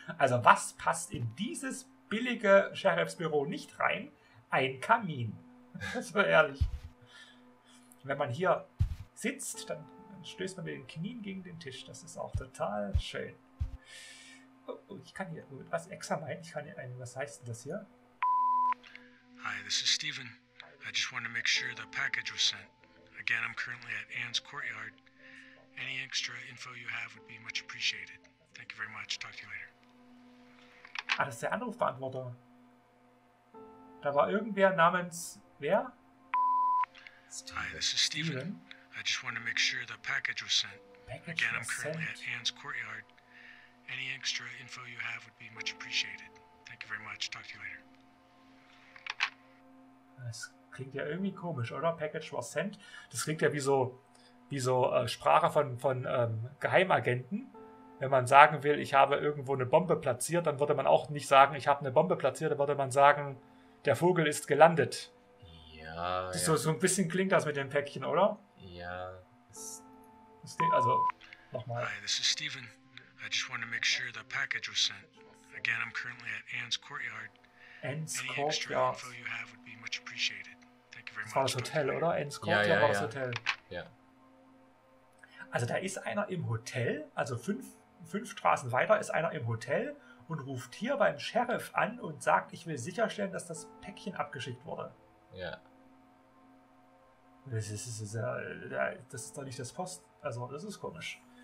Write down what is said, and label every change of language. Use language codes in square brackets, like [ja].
[de] Also was passt in dieses billige Sheriffsbüro nicht rein? Ein Kamin. Das war ehrlich. Wenn man hier sitzt, dann stößt man mit den Knien gegen den Tisch. Das ist auch total schön. Oh, ich kann hier was extra meinen. Ich kann hier einen, was heißt denn das hier? [en] Hi, this is Steven. I just wanted to make sure the package was sent. Again, I'm currently at Anne's Courtyard. Any extra info you have would be much appreciated. Thank you very much. Talk to you later. [de] Ah, das ist der Anrufbeantworter. Da war irgendwer namens wer? [en] Hi, this is Steven. I just wanted to make sure the package was sent. Package again, I'm currently sent. At Anne's Courtyard. Any extra info you have would be much appreciated. Thank you very much. Talk to you later. [de] Das klingt ja irgendwie komisch, oder? [en] Package was sent. [de] Das klingt ja wie so Sprache von Geheimagenten. Wenn man sagen will, ich habe irgendwo eine Bombe platziert, dann würde man auch nicht sagen, ich habe eine Bombe platziert. Dann würde man sagen, der Vogel ist gelandet. Ja, das ja. So ein bisschen klingt das mit dem Päckchen, oder? Ja, das klingt also nochmal. [en] Hi, this is Steven. I just wanted to make sure the package was sent. Again, I'm currently at Anne's Courtyard. Anne's Any Courtyard. Extra info you have would be much appreciated. Thank you very [de] das [en] much. [de] War das Hotel, oder? Anne's Courtyard ja, ja, war ja. Das Hotel. Ja. Also da ist einer im Hotel, also fünf Straßen weiter ist einer im Hotel und ruft hier beim Sheriff an und sagt, ich will sicherstellen, dass das Päckchen abgeschickt wurde. Ja. Das ist doch nicht das Post. Also, das ist komisch.